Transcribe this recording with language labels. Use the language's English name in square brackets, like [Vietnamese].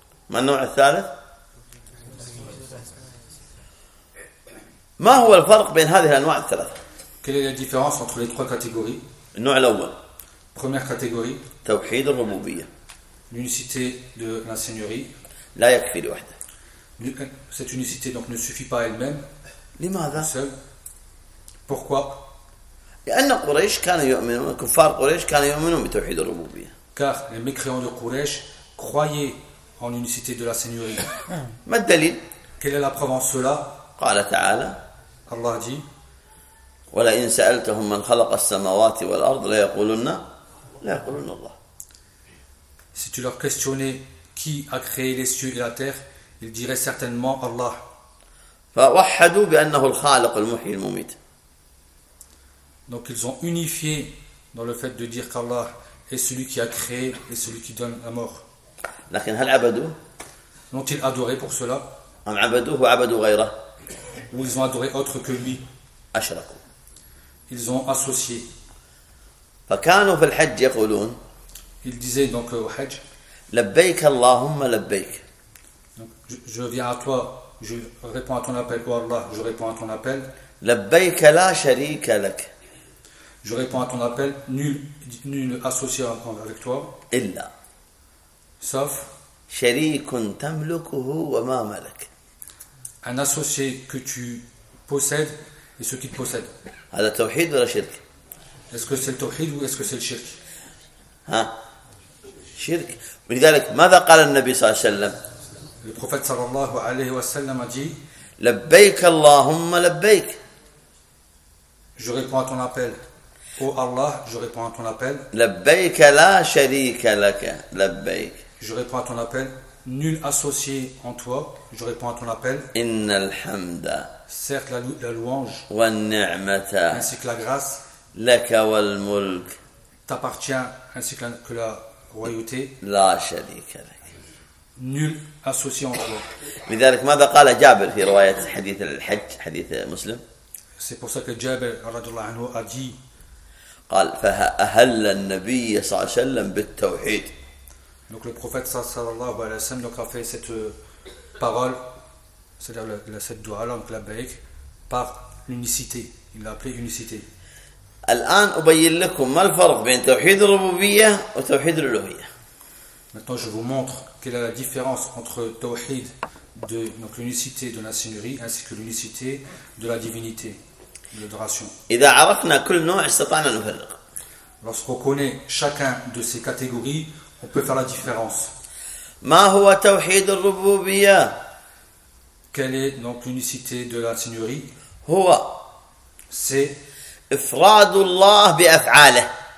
[Arabic] ما النوع الثالث؟ ما هو الفرق بين هذه الأنواع الثلاثة؟ [French] quelle est la différence entre les trois catégories؟ [Arabic] النوع الأول. [French] première catégorie. [Arabic] توحيد الربوبية. [French] l'unicité de la seigneurie. [Arabic] لا يكفي لوحده. [French] Cette unicité donc ne suffit pas elle-même. [Arabic] لماذا؟ [French] Seule. Pourquoi؟ [Arabic] لأن قريش كانوا يؤمنون كفار قريش كانوا يؤمنون بتوحيد الربوبية. [French] Car les mécréants de Quraysh croyaient en l'unicité de la seigneurie. [Arabic] ما الدليل؟ [French] Quelle est la preuve en cela؟ [Arabic] قال تعالى. [French] Allah dit. [Arabic] ولئن سألتهم من خلق السماوات والأرض ليقولن لا يقولن الله. [French] Si tu leur questionnais qui a créé les cieux et la terre, il dirait certainement Allah. [Arabic] فوحدوا بأنه الخالق المحيي المميت. [French] Donc ils ont unifié dans le fait de dire qu'Allah est celui qui a créé et celui qui donne la mort. [Arabic] لكن هل عبدوا؟ [French] L'ont-ils adoré pour cela؟ [Arabic] أم عبدوه وعبدوا غيره؟ [French] Ou ils ont adoré autre que lui؟ [Arabic] أشركوا. [French] Ils ont associé. [Arabic] فكانوا في الحج يقولون. [French] Ils disaient donc au Hajj. [Arabic] لبيك اللهم لبيك. [French] Je viens à toi, je réponds à ton appel, oh Allah, je réponds à ton appel. [Arabic] Labbayka la sharika lak. [French] Je réponds à ton appel, nul associé avec toi. [Arabic] Illa. [French] Sauf. [Arabic] Sharikun tamlukuhu wa ma malak. [French] Un associé que tu possèdes et ce qu'il possède. [Arabic] Hada tawhid ou la shirk? [French] Est-ce que c'est le tawhid ou est-ce que c'est le shirk? [Arabic] Hein? Shirk. ولذلك ماذا قال النبي صلى الله عليه وسلم؟ [French] Le prophète sallallahu alayhi wa sallam a dit [Arabic] لبيك اللهم لبيك. [French] Je réponds à ton appel. Ô Allah, je réponds à ton appel. [Arabic] لبيك لا شريك لك لبيك. [French] Je réponds à ton appel. Nul associé en toi, je réponds à ton appel. [Arabic] إن الحمد. [French] Certes la louange. [Arabic] والنعمة. [French] Ainsi que la grâce. [Arabic] لك والملك. [French] T'appartient ainsi que la royauté. [Arabic] لا شريك لك. [French] Nul associé en toi. [Arabic] لذلك ماذا قال جابر في رواية حديث الحج حديث مسلم؟ [French] C'est pour ça que [Arabic] جابر رضي الله عنه [French] a dit. [Arabic] قال فأهل النبي صلى الله عليه وسلم بالتوحيد. [French] Donc le prophète [Arabic] صلى الله عليه وسلم [French] donc a fait cette parole, c'est-à-dire cette dua, donc la baik, par l'unicité. Il l'a appelé unicité. [Arabic] الآن أبين لكم ما الفرق بين توحيد الربوبية وتوحيد الألوهية. [French] Maintenant, je vous montre quelle est la différence entre توحيد de donc l'unicité de la Seigneurie ainsi que l'unicité de la divinité, l'adoration. [Arabic] إذا عرفنا كل نوع استطعنا نفرق. [French] Lorsqu'on connaît chacun de ces catégories, on peut faire la différence. [Arabic] ما هو توحيد الربوبية؟ [French] Quelle est donc l'unicité de la Seigneurie؟ [Arabic] هو [French] c'est [Arabic] إفراد الله بأفعاله.